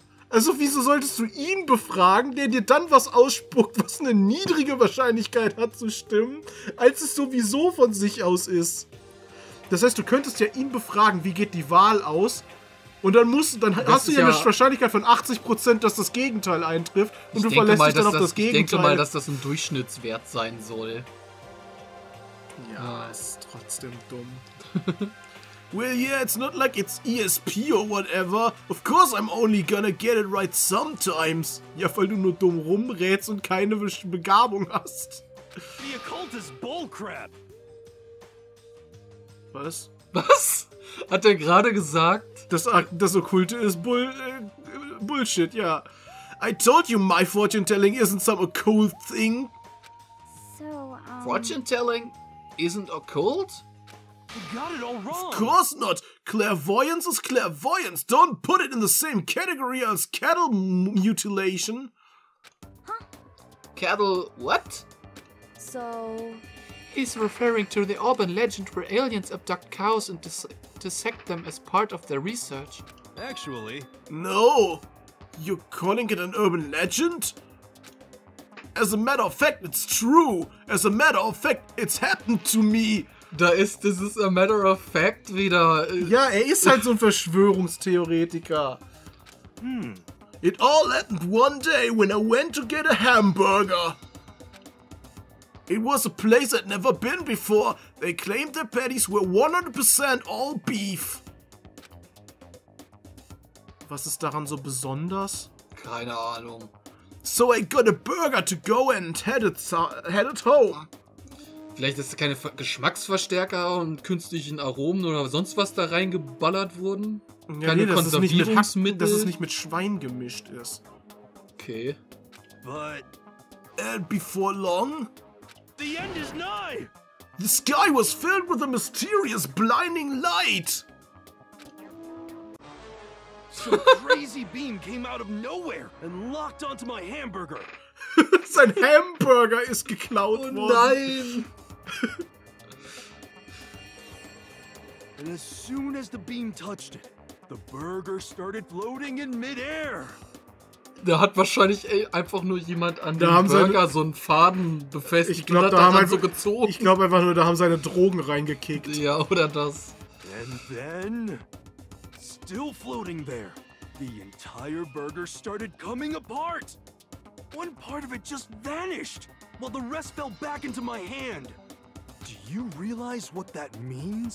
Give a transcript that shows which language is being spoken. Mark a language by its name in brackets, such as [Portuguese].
[German] Also wieso solltest du ihn befragen, der dir dann was ausspuckt, was eine niedrige Wahrscheinlichkeit hat zu stimmen, als es sowieso von sich aus ist? Das heißt, du könntest ja ihn befragen, wie geht die Wahl aus? Und dann hast du ja eine Wahrscheinlichkeit von 80%, dass das Gegenteil eintrifft. Und ich du verlässt mal, dich dann auf das Gegenteil. Ich denke mal, dass das ein Durchschnittswert sein soll. Ja, ist trotzdem dumm. [English] Well, yeah, it's not like it's ESP or whatever. Of course I'm only gonna get it right sometimes. [German] Ja, weil du nur dumm rumrätst und keine Begabung hast. [English] The occult is bullcrap. [German] Was? Was? Hat er gerade gesagt? Das Okkulte ist Bullshit, ja. [English] I told you my fortune-telling isn't some occult thing. So, fortune-telling isn't occult? You got it all wrong. Of course not. Clairvoyance is clairvoyance. Don't put it in the same category as cattle mutilation. Huh? Cattle what? So... He's referring to the urban legend where aliens abduct cows and dissect them as part of their research. Actually... No! You're calling it an urban legend? As a matter of fact, it's true! As a matter of fact, it's happened to me! [German] Da ist dieses [English] a matter of fact [German] wieder... Ja, ist halt so ein Verschwörungstheoretiker. [English] It all happened one day when I went to get a hamburger. It was a place I'd never been before. They claimed their patties were 100% all beef. [German] Was ist daran so besonders? Keine Ahnung. [English] So I got a burger to go and headed home. [German] Vielleicht ist da keine Geschmacksverstärker und künstlichen Aromen oder sonst was da reingeballert wurden? Ja, keine Konservierungsmittel? Dass es nicht mit Schwein gemischt ist. Okay. [English] But... And before long... The end is nigh! The sky was filled with a mysterious blinding light! So a crazy beam came out of nowhere and locked onto my hamburger! [German] Sein Hamburger ist geklaut worden! Oh nein! [English] And as soon as the beam touched it, the burger started floating in midair. [German] Da hat wahrscheinlich einfach nur jemand an dem Burger so einen Faden befestigt. Ich glaube, da haben seine Drogen reingekickt. Ja, oder das. [English] And then, still floating there, the entire burger started coming apart. One part of it just vanished, while the rest fell back into my hand. Do you realize what that means?